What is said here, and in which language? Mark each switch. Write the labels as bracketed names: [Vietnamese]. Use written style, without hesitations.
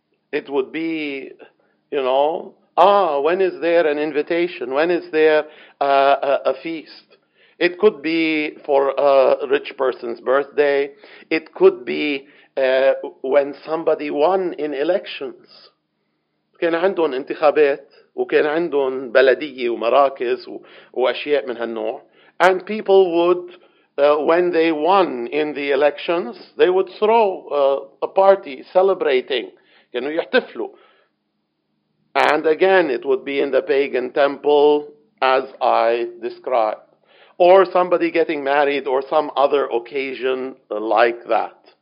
[English] It would be, you know, when is there an invitation? When is there a feast? It could be for a rich person's birthday. It could be when somebody won in elections. [Arabic] كان عندهم انتخابات وكان عندهم بلدية ومراكز وأشياء من هالنوع. [English] And people would, when they won in the elections, they would throw a party celebrating. [Arabic] كانوا يحتفلوا. [English] And again, it would be in the pagan temple, as I described. Or somebody getting married or some other occasion like that.